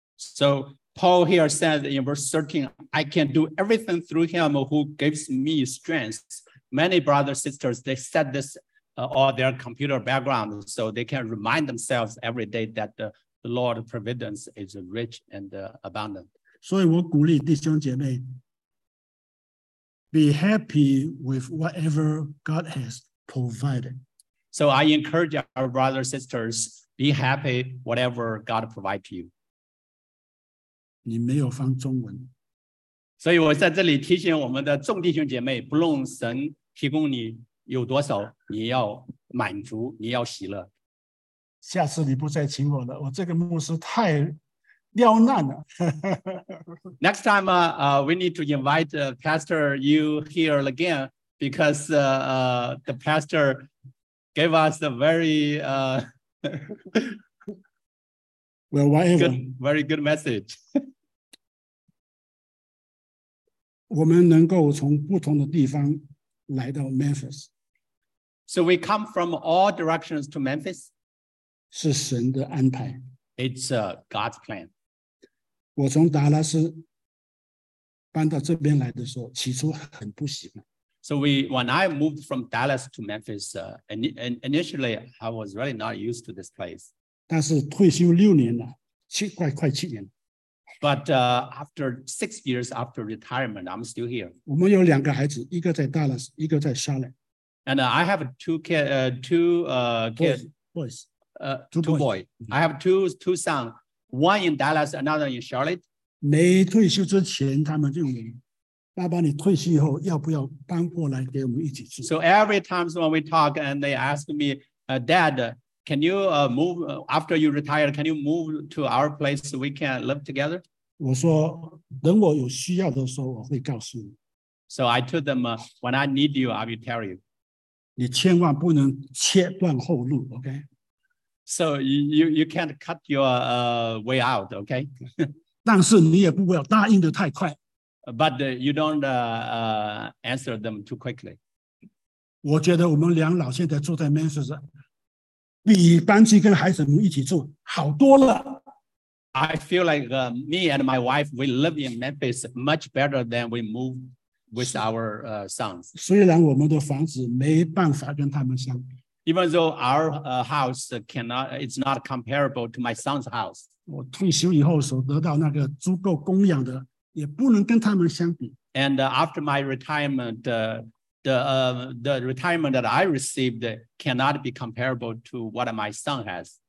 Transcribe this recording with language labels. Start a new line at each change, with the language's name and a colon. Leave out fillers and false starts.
English: So Paul here says in verse 13 I can do everything through him who gives me strength Many brothers, sisters, they set thisor their computer background, so they can remind themselves every day that the Lord's providence is rich and abundant.
Chinese: 所以我鼓励弟兄姐妹
English: be happy with whatever God has provided. So I encourage our brothers and sisters, be happy whatever God provides to you.
Chinese: 你没有放中文。所以我在这里提醒我们的众弟兄姐妹，不论神提供你有多少你要满足你要喜乐下次你不再请我了我这个牧师太刁难了
English: next time we need to invite pastor you here again because the pastor gave us a very well whatever good, very good message
Chinese: 我们能够从不同的地方来到 Memphis
English: So we come from all directions to Memphis.
Chinese: 是神的安排。
English: It's God's plan.
Chinese: 我从达拉斯搬到这边来的时候，起初很不习惯。
English: So when I moved from Dallas to Memphis, initially I was really not used to this place.
Chinese: 但是退休六年了，快七年了。
English: But after 6 years after retirement, I'm still here.
Chinese: 我们有两个孩子，一个在达拉斯，一个在沙莱。
English: And I have two boys. I have two sons, one in Dallas, another in Charlotte.
Chinese: 没退休之前，他们就问爸爸：“你退休以后要不要搬过来给我们一起住
English: ？”So every time when we talk, and they ask me, "Dad, can you move after you retire? Can you move to our place so we can live together?"
Chinese: 我说：“等我有需要的时候，我会告诉你。
English: ”So I told them, "When I need you, I will tell you."
Chinese: 你千万不能切断后路 ，OK？
English: So you can't cut your way out, OK？
Chinese: 但是你也不要答应的太快。
English: But you don't answer them too quickly.
Chinese: 我觉得我们两老现在住在 Memphis， 比搬去跟孩子们一起住好多了。
English: I feel like me and my wife we live in Memphis much better than we moved. With our sons.
Chinese: 虽然我们的房子没办法跟他们相比
English: Even though our house cannot, it's not comparable to my son's house.
Chinese: 我退休以后所得到那个足够供养的也不能跟他们相比
English: And after my retirement, the retirement that I received cannot be comparable to what my son has.